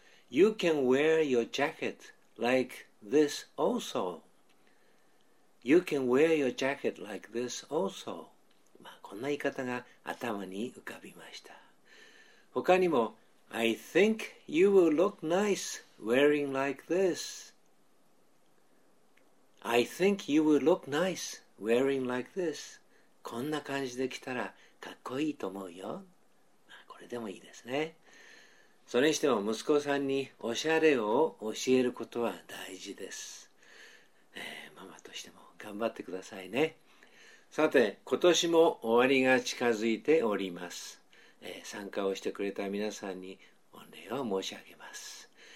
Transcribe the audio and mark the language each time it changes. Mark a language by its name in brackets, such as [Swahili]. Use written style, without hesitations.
[English] You can wear your jacket like this also. You can wear your jacket like this also. [Japanese] まあ、こんな言い方が頭に浮かびました。他にも、 [English] I think you will look nice wearing like this. I think you will look nice. Wearing like this. [Japanese] こんな感じで着たらかっこいいと思うよ。これでもいいですね。それにしても息子さんにおしゃれを教えることは大事です、ママとしても頑張ってくださいね。さて、今年も終わりが近づいております、参加をしてくれた皆さんに御礼を申し上げます。